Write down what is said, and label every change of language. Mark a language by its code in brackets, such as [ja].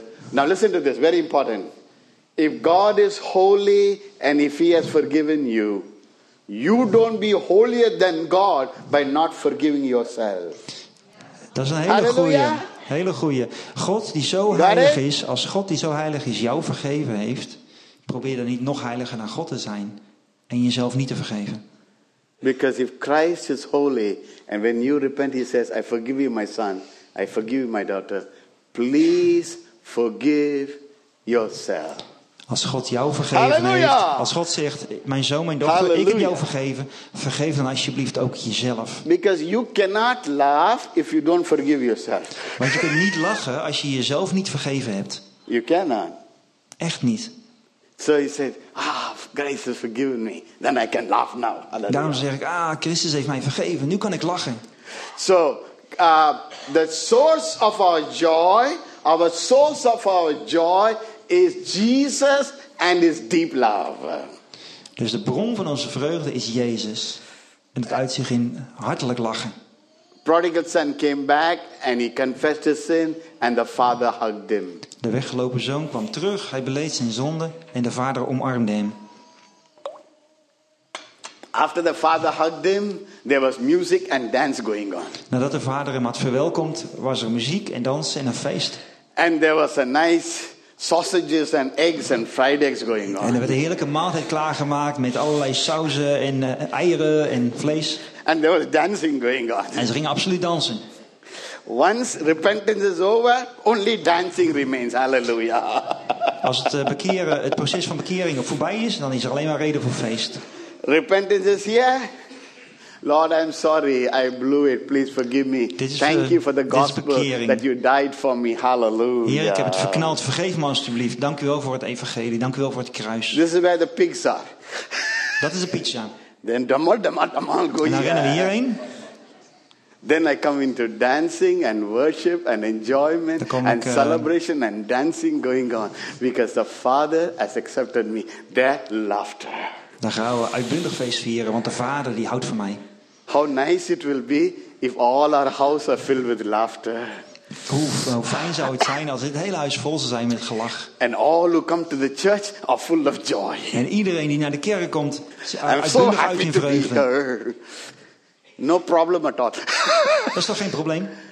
[en] Now listen to this, very important. If God is holy and if he has forgiven you, you don't be holier than God by not forgiving yourself. [nl] Dat is een hele goeie. Hele goeie. God die zo heilig is, als God die zo heilig is jou vergeven heeft, probeer dan niet nog heiliger dan God te zijn en jezelf niet te vergeven. [en] Because if Christ is holy and when you repent he says I forgive you my son, I forgive you my daughter, please forgive yourself. [nl] Als God jou vergeven Halleluja. Heeft, als God zegt mijn zoon, mijn dochter, Halleluja. Ik heb jou vergeven, vergeef dan alsjeblieft ook jezelf. [en] Because you cannot laugh if you don't forgive yourself. [nl] Want je kunt niet lachen als je jezelf niet vergeven hebt. [en] You cannot. [nl] Echt niet. [en] So he said, Christ has forgiven me. Then I can laugh now. Halleluja. [nl] Daarom zeg ik, Christus heeft mij vergeven. Nu kan ik lachen. [en] So, the source of our joy, our source of our joy is Jesus and his deep love. [nl] Dus de bron van onze vreugde is Jezus. En het uitzicht in hartelijk lachen. [en] Prodigal son came back and he confessed his sin and the father hugged him. [nl] De weggelopen zoon kwam terug, hij beleed zijn zonde en de vader omarmde hem. [en] After the father hugged him, there was music and dance going on. [nl] Nadat de vader hem had verwelkomd, was er muziek en dansen en een feest. [en] And there was a nice sausages and eggs and fried eggs going on. [nl] En er werd een heerlijke maaltijd klaargemaakt met allerlei sauzen en eieren en vlees. [en] And there was dancing going on. [nl] En ze gingen absoluut dansen. [en] Once repentance is over, only dancing remains. Hallelujah. [nl] Als het proces van bekering voorbij is, dan is er alleen maar reden voor feest. [en] Repentance is here. Lord, I'm sorry, I blew it. Please forgive me. Thank you for the gospel that you died for me. Hallelujah. [nl] Heer, ik heb het verknald. Vergeef me alstublieft. Dank u wel voor het evangelie. Dank u wel voor het kruis. [en] This is where the pigs are. [nl] Dat is de pizza. Then dammal, go here. Rennen we hierheen. [en] Then I come into dancing and worship and enjoyment and celebration and dancing going on. Because the Father has accepted me. Their laughter. [nl] Dan gaan we uitbundig feest vieren, want de Vader die houdt van mij. [en] How nice it will be if all our houses are filled with laughter. [nl] Hoe fijn zou het zijn als het hele huis vol zou zijn met gelach. [en] And all who come to the church are full of joy. [nl] En iedereen die naar de kerk komt, is uitbundig uit in vreugde. [en] No problem at all. [nl] Dat is toch geen probleem?